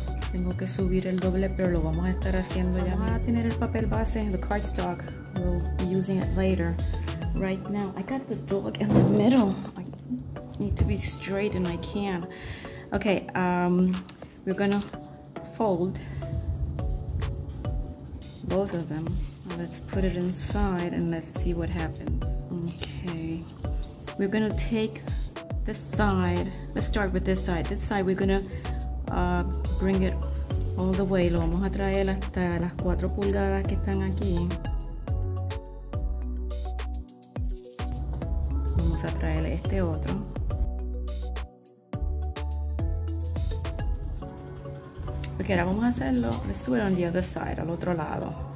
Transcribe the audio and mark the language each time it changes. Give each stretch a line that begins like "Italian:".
Spanish: Tengo que subir el doble, pero lo vamos a estar haciendo ya. Vamos a tener el papel base en el cardstock.
English: We'll be using it later. Right now, I got the dog in the middle. I need to be straight and I can. Okay, we're gonna fold both of them. Let's put it inside and let's see what happens. Okay, we're gonna take this side. Let's start with this side. This side, we're gonna bring it all the way.
Spanish: Lo vamos a traer hasta las 4 pulgadas que están aquí. A traer este otro. Ok, ahora vamos a hacerlo.
English: Let's do it on the other side,
Spanish: al otro lado.